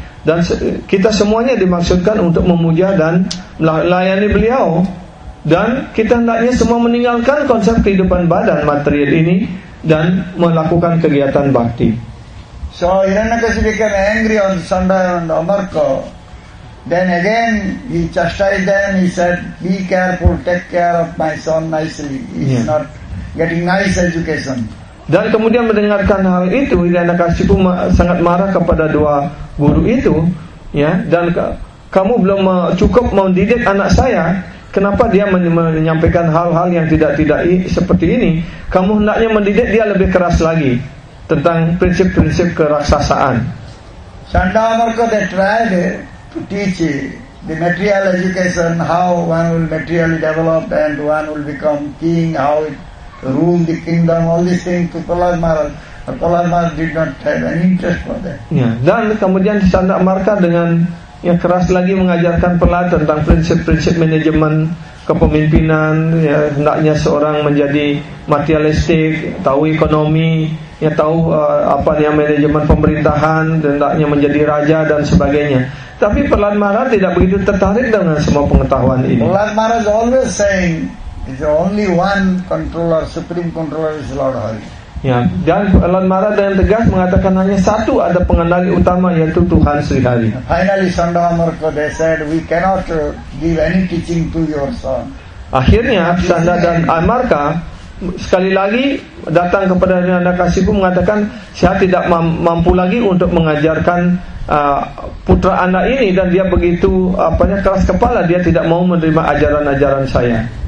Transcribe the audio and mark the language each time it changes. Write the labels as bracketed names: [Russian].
[Indonesian] Dan kita semuanya dimaksudkan untuk memuja dan melayani beliau. Dan kita hendaknya semua meninggalkan konsep kehidupan badan material ini dan melakukan kegiatan bakti. [English] So Hiranyakashipu became angry on Sanda and Amarka. Then again he chastised them. He said, be careful, take care of my son nicely. He's not getting nice education. [Indonesian] Dan kemudian mendengarkan hal itu, Hiranyakashipu sangat marah kepada dua guru itu, ya, dan kamu belum cukup mendidik anak saya, kenapa dia menyampaikan hal-hal yang tidak-tidak seperti ini? Kamu hendaknya mendidik dia lebih keras lagi tentang prinsip-prinsip keraksasaan. [English] Sanda Amarka, they tried to teach the material education, how one will materially develop and one will become king, how it rule the kingdom, all these things to Prahlad Maharaj. Prahlad Maharaj did not have any interest for that. [Indonesian] Ya, dan kemudian Sanda Amarka dengan yang keras lagi mengajarkan Prahlad tentang prinsip-prinsip manajemen kepemimpinan, ya, hendaknya seorang menjadi materialistik, tahu ekonomi, ya, tahu manajemen pemerintahan, hendaknya menjadi raja dan sebagainya. Tapi Prahlad Maharaj tidak begitu tertarik dengan semua pengetahuan ini. [English] Prahlad Maharaj always saying the only one controller, supreme controller is Lord Hari. [Indonesian] Ya, dan Prahlad Maharaj dengan tegas mengatakan hanya satu ada pengendali utama, yaitu Tuhan Sri Hari. [English] Finally Sanda Amarka, they said, we cannot give any teaching to your son. [Indonesian] Akhirnya Sanda dan Amarka sekali lagi datang kepada Nanda Kasipu mengatakan, saya tidak mampu lagi untuk mengajarkan putra Anda ini, dan dia begitu apanya keras kepala, dia tidak mau menerima ajaran-ajaran saya.